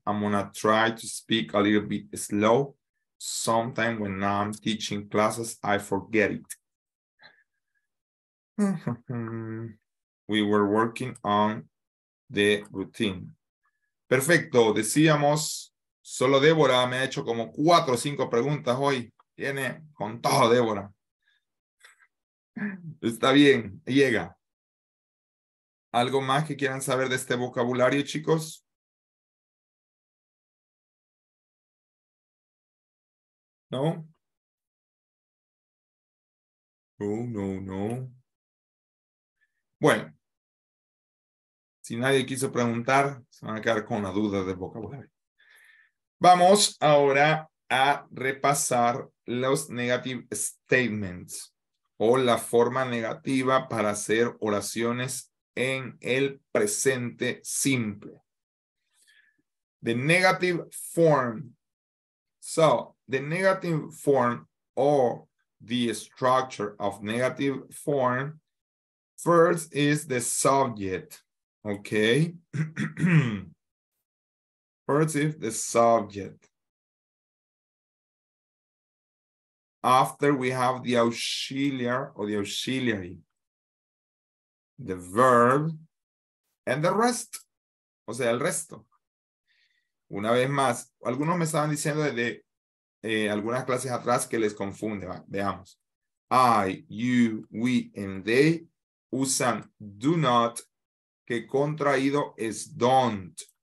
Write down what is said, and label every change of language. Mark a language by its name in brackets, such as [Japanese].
[English] I'm gonna try to speak a little bit slow. Sometimes when I'm teaching classes, I forget it. We were working on the routine. [Spanish] Perfecto, decíamos, solo Débora me ha hecho como 4 o 5 preguntas hoy. Viene con todo, Débora. Está bien, llega. ¿Algo más que quieran saber de este vocabulario, chicos? ¿No? No, no, no. Bueno. Si nadie quiso preguntar, se van a quedar con la duda del vocabulario. Vamos ahora a repasar los [English] negative statements [Spanish] o la forma negativa para hacer oraciones en el presente simple. [English] The negative form. So, the negative form or the structure of negative form. First is the subject. Okay. First is the subject. After we have the auxiliar or the auxiliary, the verb, and the rest. [Spanish] O sea, el resto. Una vez más, algunos me estaban diciendo desde algunas clases atrás que les confunde. Va, veamos. [English] I, you, we, and they [Spanish] usan [English] do not, [Spanish] que contraído es [English] don't.